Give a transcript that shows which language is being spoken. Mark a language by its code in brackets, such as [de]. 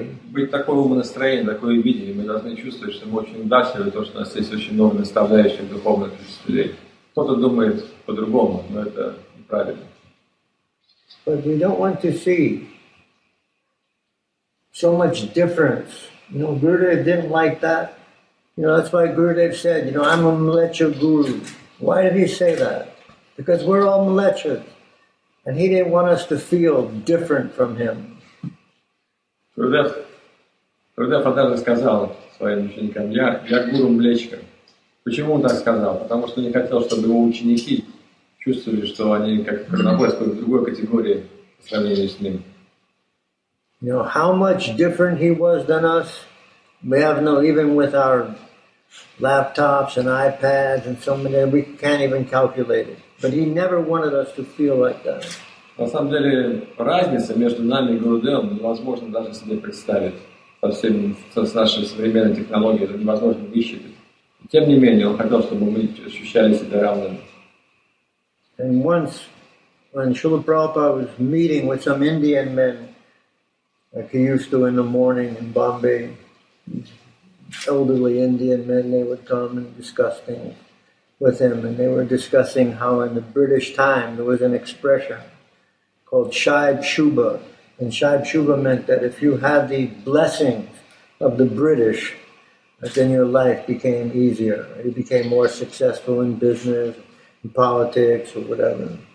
[ru] Быть такое умонастроение, такое видение, мы должны чувствовать, что мы очень удачливы, то, что у нас есть очень много наставляющих духовных людей. Кто-то думает по-другому, но это неправильно. [en] But we don't want to see so much difference. You know, Gurudev didn't like that. You know, that's why Gurudev said, you know, I'm a Mlecha guru. Why did he say that? Because we're all Mlechas. And he didn't want us to feel different from him. [ru] Gurudev однажды сказал своим ученикам, я гуру Млечка. Почему он так сказал? Потому что не хотел, чтобы его ученики чувствовали, что они как находятся в другой категории по сравнению с ним. [en] You know, how much different he was than us, we have no, even with our laptops and iPads and so many, we can't even calculate it. But he never wanted us to feel like that. [ru] На самом деле, разница между нами и Гурудевом невозможно даже себе представить. С нашей современной технологией это невозможно высчитать. Тем не менее, он хотел, чтобы мы ощущали себя равными. [en] And once, when Srila Prabhupada was meeting with some Indian men, like he used to in the morning in Bombay, elderly Indian men, they would come and discuss things with him, and they were discussing how in the British time there was an expression called Shaib Shubha, and Shaib Shubha meant that if you had the blessings of the British, then your life became easier, you became more successful in business, in politics, or whatever.